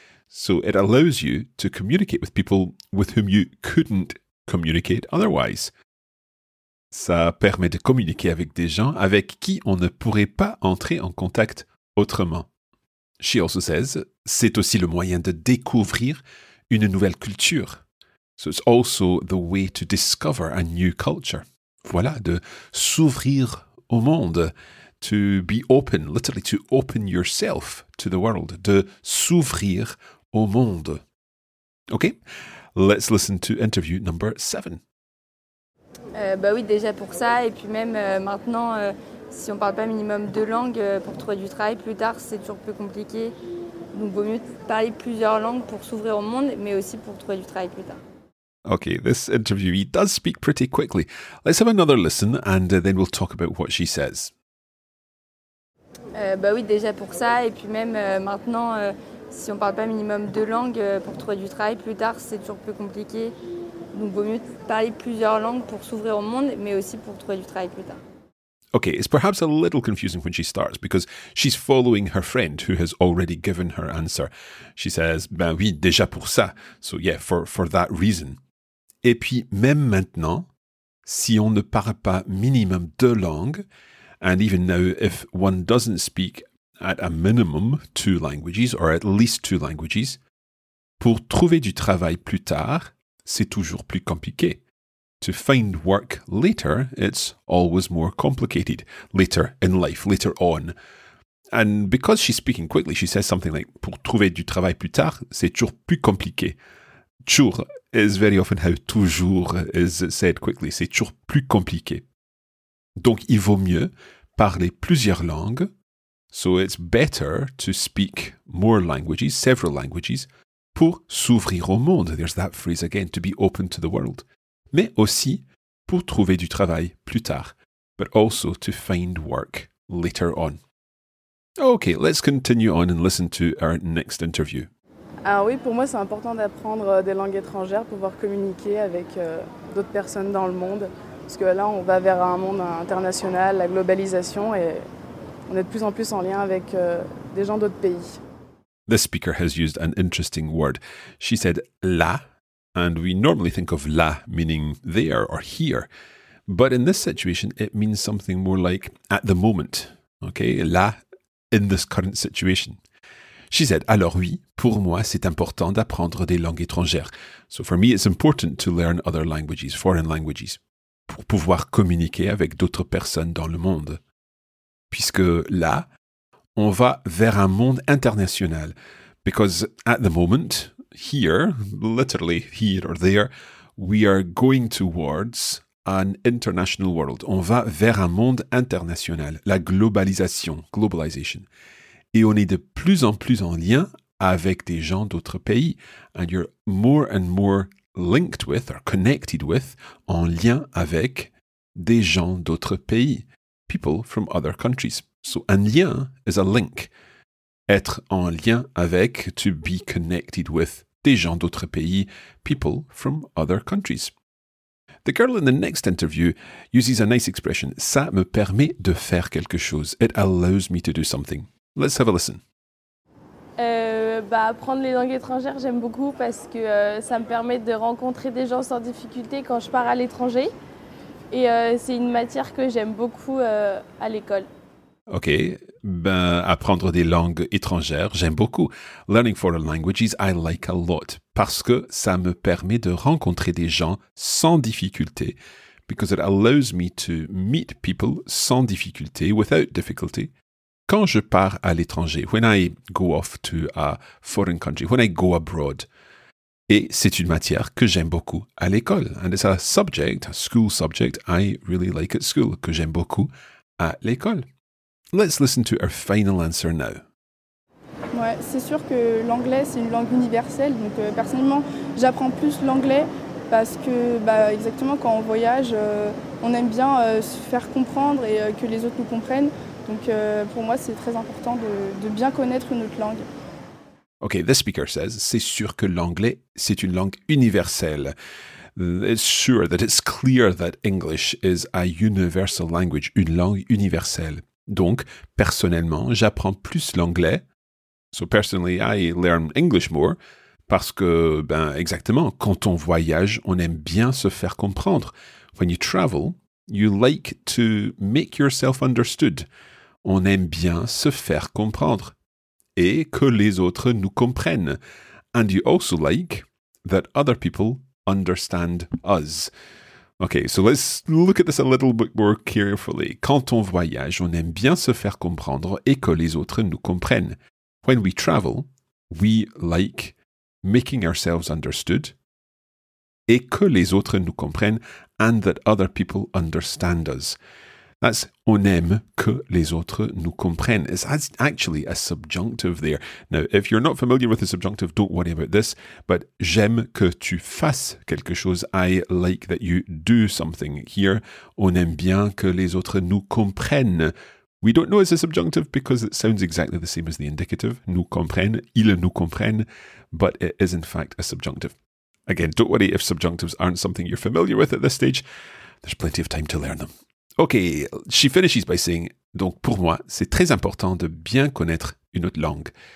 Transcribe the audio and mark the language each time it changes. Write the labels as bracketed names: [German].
[English] So it allows you to communicate with people with whom you couldn't communicate otherwise. [French] Ça permet de communiquer avec des gens avec qui on ne pourrait pas entrer en contact autrement. [English] She also says, [French] c'est aussi le moyen de découvrir une nouvelle culture. [English] So it's also the way to discover a new culture. [French] Voilà, de s'ouvrir au monde. [English] To be open, literally to open yourself to the world. [French] De s'ouvrir au monde. [English] Okay, let's listen to interview number 7. [French] Déjà pour ça, et puis même maintenant, si on parle pas minimum deux langues, pour trouver du travail plus tard, c'est toujours plus compliqué. Donc, vaut mieux parler plusieurs langues pour s'ouvrir au monde, mais aussi pour trouver du travail plus tard. [English] Okay, this interviewee does speak pretty quickly. Let's have another listen, and then we'll talk about what she says. [French] Déjà pour ça, et puis même maintenant, si on parle pas minimum deux langues, pour trouver du travail plus tard, c'est toujours plus compliqué. Donc, vaut mieux parler plusieurs langues pour s'ouvrir au monde, mais aussi pour trouver du travail plus tard. [English] Okay, it's perhaps a little confusing when she starts because she's following her friend who has already given her answer. She says, [French] ben oui, déjà pour ça. [English] So yeah, for that reason. [French] Et puis, même maintenant, si on ne parle pas minimum deux langues, [English] and even now, if one doesn't speak at a minimum two languages or at least two languages, [French] pour trouver du travail plus tard, c'est toujours plus compliqué. [English] To find work later, it's always more complicated. Later in life, later on. And because she's speaking quickly, she says something like, [French] pour trouver du travail plus tard, c'est toujours plus compliqué. [English] Toujours is very often how toujours is said quickly. [French] C'est toujours plus compliqué. Donc, il vaut mieux parler plusieurs langues. [English] So it's better to speak more languages, several languages, [French] pour s'ouvrir au monde. [English] There's that phrase again, to be open to the world. [French] Mais aussi pour trouver du travail plus tard, [English] but also to find work later on. Okay, let's continue on and listen to our next interview. [French] Alors oui, pour moi c'est important d'apprendre des langues étrangères pour pouvoir communiquer avec d'autres personnes dans le monde, parce que là on va vers un monde international, la globalisation, et on est de plus en plus en lien avec des gens d'autres pays. [English] This speaker has used an interesting word. She said la. And we normally think of là meaning there or here. But in this situation, it means something more like at the moment. Okay, là, in this current situation. She said, [French] alors oui, pour moi, c'est important d'apprendre des langues étrangères. [English] So for me, it's important to learn other languages, foreign languages, [French] pour pouvoir communiquer avec d'autres personnes dans le monde. Puisque là, on va vers un monde international. [English] Because at the moment, here, literally here or there, we are going towards an international world. [French] On va vers un monde international, la globalisation, globalization. Et on est de plus en plus en lien avec des gens d'autres pays. [English] And you're more and more linked with or connected with, [French] en lien avec des gens d'autres pays, [English] people from other countries. So un lien is a link. [French] Être en lien avec, [English] to be connected with, [French] des gens d'autres pays, [English] people from other countries. The girl in the next interview uses a nice expression. [French] Ça me permet de faire quelque chose. [English] It allows me to do something. Let's have a listen. [French] Apprendre les langues étrangères, j'aime beaucoup parce que ça me permet de rencontrer des gens sans difficulté quand je pars à l'étranger. Et c'est une matière que j'aime beaucoup à l'école. Ok, apprendre des langues étrangères, j'aime beaucoup. [English] Learning foreign languages, I like a lot. [French] Parce que ça me permet de rencontrer des gens sans difficulté. [English] Because it allows me to meet people sans difficulté, without difficulty. [French] Quand je pars à l'étranger, [English] when I go off to a foreign country, when I go abroad. [French] Et c'est une matière que j'aime beaucoup à l'école. [English] And it's a subject, a school subject, I really like at school, [French] que j'aime beaucoup à l'école. [English] Let's listen to our final answer now. [French] Ouais, c'est sûr que l'anglais, c'est une langue universelle. Donc, personnellement, j'apprends plus l'anglais parce que, exactement, quand on voyage, on aime bien se faire comprendre et que les autres nous comprennent. Donc, pour moi, c'est très important de bien connaître une autre langue. [English] Okay, this speaker says, [French] c'est sûr que l'anglais, c'est une langue universelle. [English] it's sure that it's clear that English is a universal language, [French] une langue universelle. Donc, personnellement, j'apprends plus l'anglais. [English] So personally, I learn English more. [French] Parce que, ben, exactement, quand on voyage, on aime bien se faire comprendre. [English] When you travel, you like to make yourself understood. [French] On aime bien se faire comprendre et que les autres nous comprennent. [English] And you also like that other people understand us. Okay, so let's look at this a little bit more carefully. [French] Quand on voyage, on aime bien se faire comprendre et que les autres nous comprennent. [English] When we travel, we like making ourselves understood [French] et que les autres nous comprennent [English] and that other people understand us. That's [French] on aime que les autres nous comprennent. [English] It's actually a subjunctive there. Now, if you're not familiar with the subjunctive, don't worry about this, but [French] j'aime que tu fasses quelque chose. [English] I like that you do something here. [French] On aime bien que les autres nous comprennent. [English] We don't know it's a subjunctive because it sounds exactly the same as the indicative. [French] Nous comprennent, ils nous comprennent, [English] but it is in fact a subjunctive. Again, don't worry if subjunctives aren't something you're familiar with at this stage. There's plenty of time to learn them. Okay, she finishes by saying, [French] donc pour moi, c'est très important de bien connaître une autre langue.